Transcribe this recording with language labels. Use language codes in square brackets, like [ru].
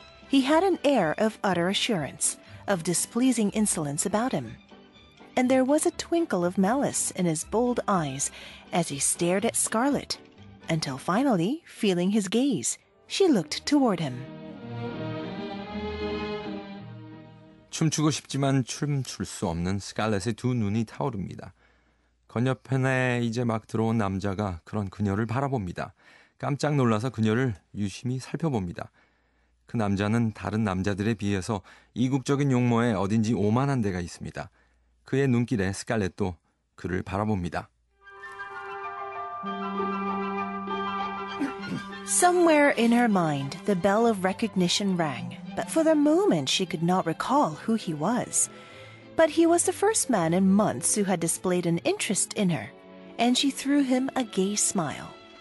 [en] He had an air of utter assurance, of displeasing insolence about him. And there was a twinkle of malice in his bold eyes as he stared at Scarlet, until finally, feeling his gaze, she looked toward him. [ko] 춤추고 싶지만 춤출 수 없는 스칼렛의 두 눈이 타오릅니다. 건너편에 이제 막 들어온 남자가 그런 그녀를 바라봅니다. 깜짝 놀라서 그녀를 유심히 살펴봅니다. 그 남자는 다른 남자들에 비해서 이국적인 용모에 어딘지 오만한 데가 있습니다. 그의 눈길에 스칼렛도 그를 바라봅니다. [en] Somewhere in her mind, the bell of recognition rang, but for the moment she could not recall who he was. But he was the first man in months who had displayed an interest in her, and she threw him a gay smile.